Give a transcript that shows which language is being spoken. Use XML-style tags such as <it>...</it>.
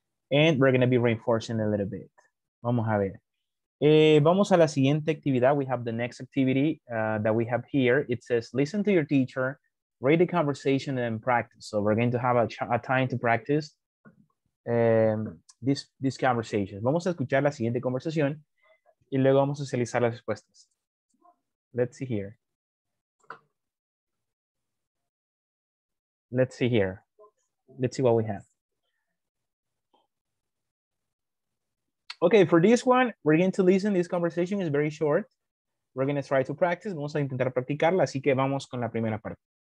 <en>And we're going to be reinforcing a little bit.</en> <es>Vamos a ver. Vamos a la siguiente actividad.</es> <en>We have the next activity that we have here. It says, listen to your teacher, read the conversation and practice. So we're going to have a time to practice this conversation.</en> <es>Vamos a escuchar la siguiente conversación. Y luego vamos a socializar las respuestas.</es> <en>Let's see here. Let's see here. Let's see what we have. Okay, for this one, we're going to listen. This conversation is very short. We're going to try to practice.</en> <es>Vamos a intentar practicarla, así que vamos con la primera parte.</es>